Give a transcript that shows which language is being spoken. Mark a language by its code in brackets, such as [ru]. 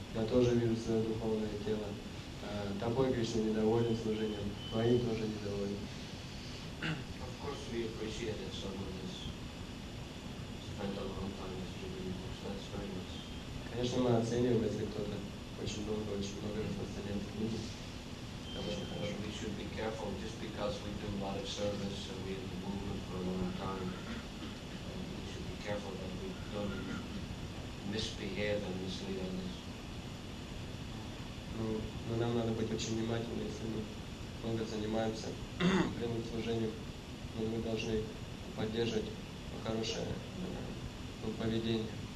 [ru] Я тоже вижу свое духовное тело. Тобой, Кришна, недоволен служением, твоим тоже недоволен. [en] Of course, we appreciate that someone has spent a long time distributing books. That's very nice. [ru] Конечно, мы оцениваем, если кто-то очень много распространяет книги. [en] But we should be careful just because we do a lot of service and we're in the movement for a long time. We should be careful that we don't misbehave and mislead on this. [ru] Но нам надо быть очень внимательны, если мы много занимаемся прямым служением, но мы должны поддерживать хорошее поведение.